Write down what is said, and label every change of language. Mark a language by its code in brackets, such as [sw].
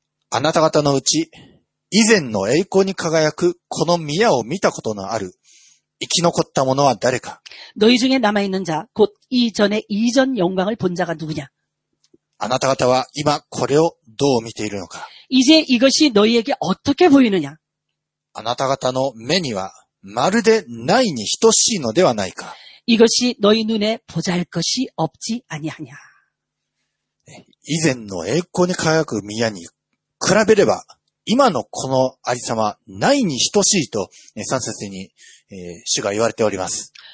[ja] あなた方のうち以前の栄光に輝くこの宮を見たことのある生き残った者は誰か。 [ko] 너희중에남아있는자곧이전의이전영광을본자가누구냐。 [ja] あなた方は今これをどう見ているのか。 [ko] 이제이것이너희에게어떻게보이느냐。 [ja] あなた方の目にはまるでないに等しいのではないか。 [ko] 이것이너희눈에보잘것이없지아니하냐。 [ja] 以前の栄光に輝く宮に比べれば、今のこの有様、ないに等しいと、3節に、主が言われております。